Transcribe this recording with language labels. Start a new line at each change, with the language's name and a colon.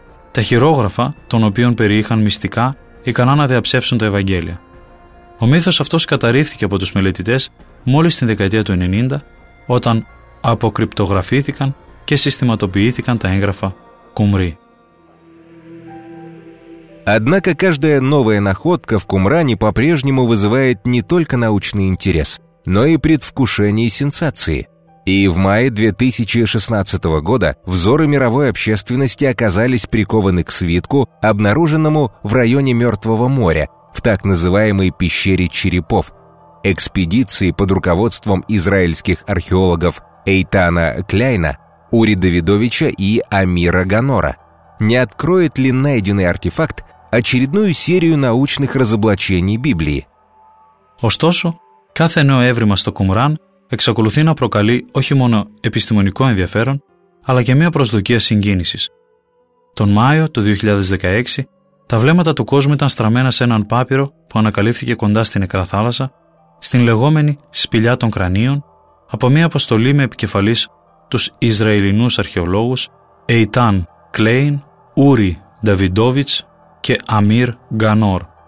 Greek: Τα χειρόγραφα, των οποίων περιείχαν μυστικά, ικανά να διαψεύσουν τα Ευαγγέλια. Ο μύθος αυτός καταρρίφθηκε από τους μελετητές μόλις στην δεκαετία του 90, όταν αποκρυπτογραφήθηκαν και συστηματοποιήθηκαν τα έγγραφα Κουμρί.
Russian: Однако каждая новая находка в Кумране по-прежнему вызывает не только научный интерес, но и предвкушение сенсации. И в мае 2016 года взоры мировой общественности оказались прикованы к свитку, обнаруженному в районе Мертвого моря, в так называемой пещере черепов. Экспедиции под руководством израильских археологов Эйтана Кляйна, Ури Давидовича и Амира Ганора. Не откроет ли найденный артефакт очередную серию научных разоблачений Библии?
Greek: Ωστόσο, κάθε νέο έβριμα στο Κουμράν εξακολουθεί να προκαλεί όχι μόνο επιστημονικό ενδιαφέρον, αλλά και μια προσδοκία συγκίνησης. Τον Μάιο του 2016, τα βλέμματα του κόσμου ήταν στραμμένα σε έναν πάπυρο που ανακαλύφθηκε κοντά στην Νεκρά Θάλασσα, στην λεγόμενη Σπηλιά των Κρανίων, από μια αποστολή με επικεφαλής τους Ισραηλινούς αρχαιολόγους Έιταν Κλέιν, Ούρι Νταβιντόβιτς και Αμίρ Γκανόρ.